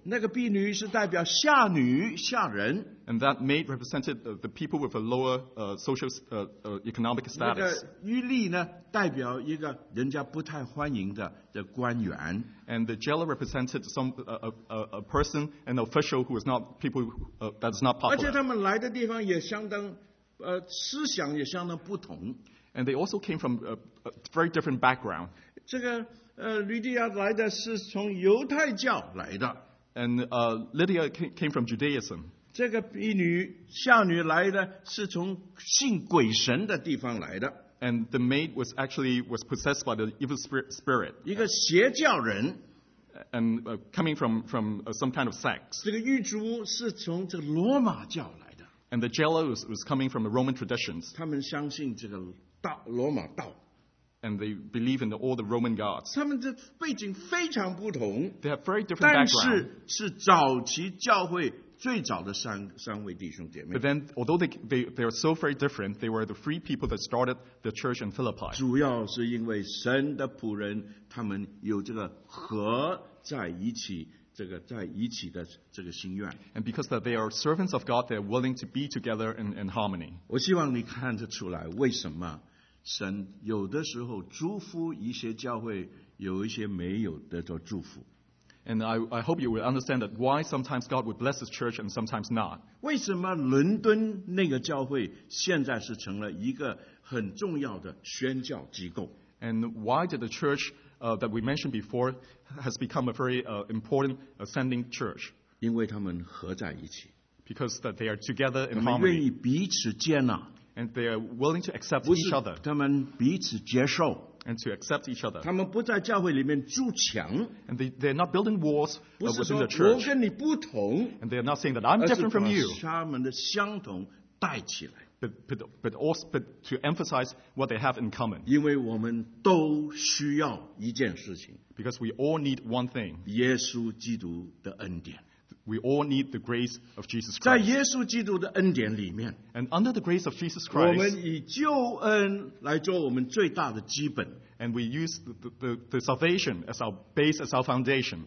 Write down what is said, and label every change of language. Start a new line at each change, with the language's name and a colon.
Chinese: 那个婢女是代表下女、下人。
English: And that maid represented the people with a lower economic status.
Chinese: 那个狱吏呢，代表一个人家不太欢迎的官员。
English: And the jailer represented a person, an official who is not people that is not popular.
Chinese: 而且他们来的地方也相当，思想也相当不同。
English: And they also came from a very different background.
Chinese: 这个吕底亚来的是从犹太教来的。
English: And Lydia came from Judaism.
Chinese: 这个婢女下女来的是从信鬼神的地方来的。
English: And the maid was possessed by the evil spirit.
Chinese: 一个邪教人。
English: And coming from some kind of sect.
Chinese: 这个狱卒是从这个罗马教来的。
English: And the jailer was coming from the Roman traditions.
Chinese: 他们相信这个道，罗马道。
English: And they believe in all the Roman gods.
Chinese: 他们的背景非常不同。
English: They have very different backgrounds.
Chinese: 但是是早期教会最早的三位弟兄姐妹。
English: But then, although they are so very different, they were the three people that started the church in Philippi.
Chinese: 主要是因为神的仆人，他们有这个合在一起，这个在一起的这个心愿。
English: And because that they are servants of God, they are willing to be together in harmony.
Chinese: 我希望你看得出来，为什么神有的时候祝福一些教会，有一些没有得到祝福。
English: And I hope you will understand that why sometimes God would bless his church and sometimes not.
Chinese: 为什么伦敦那个教会现在是成了一个很重要的宣教机构？
English: And why did the church that we mentioned before has become a very important sending church?
Chinese: 因为他们合在一起。
English: Because that they are together in harmony.
Chinese: 他们愿意彼此接纳。
English: And they are willing to accept each other.
Chinese: 他们彼此接受。
English: And to accept each other.
Chinese: 他们不在教会里面筑墙。
English: And they're not building walls within the church.
Chinese: 不是说我跟你不同。
English: And they're not saying that I'm different from you.
Chinese: 而是把他们的相同带起来。
English: But to emphasize what they have in common.
Chinese: 因为我们都需要一件事情。
English: Because we all need one thing.
Chinese: 耶稣基督的恩典。
English: We all need the grace of Jesus Christ.
Chinese: 在耶稣基督的恩典里面。
English: And under the grace of Jesus Christ,
Chinese: 我们以救恩来做我们最大的基本。
English: And we use the salvation as our base, as our foundation.